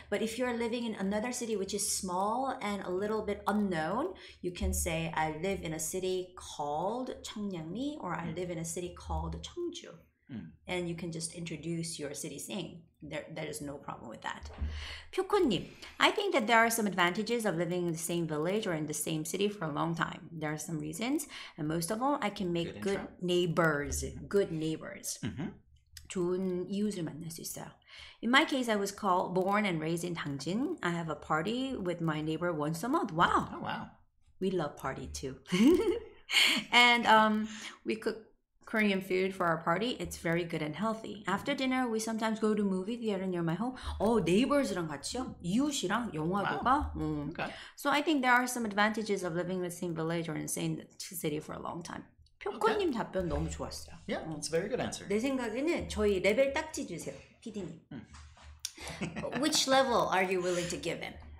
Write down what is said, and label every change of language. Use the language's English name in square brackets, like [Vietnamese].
[English] But if you're living in another city which is small and a little bit unknown, you can say I live in a city called Cheongnyang-mi, or I live in a city called Cheongju. And you can just introduce your city's name. There is no problem with that. 표코님, I think that there are some advantages of living in the same village or in the same city for a long time. There are some reasons. And most of all, I can make good neighbors. Mm-hmm. Good neighbors. Mm-hmm. [Korean] 좋은 이웃을 만날 수 있어요. [English] In my case, I was born and raised in Dangjin. I have a party with my neighbor once a month. Wow. Oh, wow. We love party too. And we cook Korean food for our party. It's very good and healthy. After dinner, we sometimes go to movie theater near my home. [Korean] Oh, neighbors랑 같이요? 이웃이랑 영화 볼까? [English] Wow. Okay. So I think there are some advantages of living in the same village or in the same city for a long time. [Korean] 표코님 okay. 답변 너무 좋았어요. [English] Yeah, it's a very good answer. [Korean] 내 생각에는 저희 레벨 딱지 주세요, PD님. [English] Which level are you willing to give him?